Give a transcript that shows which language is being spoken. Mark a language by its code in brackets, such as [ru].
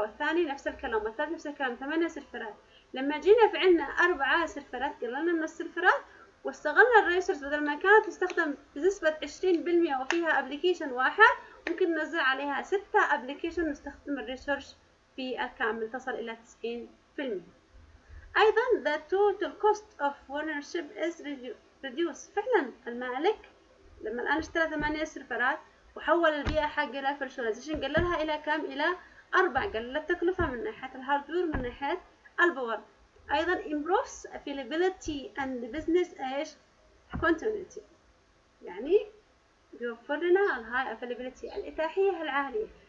[ar] والثاني نفس الكلام، والثالث نفس الكلام، 8 سيرفرات. لما جينا في عندنا 4 سيرفرات، قللنا من السيرفرات واستغلنا الريسورس، بدل ما كانت تستخدم بنسبة 20% وفيها ابليكيشن واحد، ممكن ننزل عليها 6 ابليكيشن نستخدم الريسورس في الكامل، تصل إلى 90%. [en] أيضا the total cost of ownership is reduced. [ar] فعلا المالك لما الآن اشترى 8 سيرفرات وحول البيئة حقه إلى فيرشواليزيشن، قللها إلى كام؟ إلى 4. قلل التكلفة من ناحية الهاردوير، من ناحية البور. ايضا [en] improves availability and business [ar] ايش continuity، يعني يوفر لنا الهاي availability الاتاحية العالية.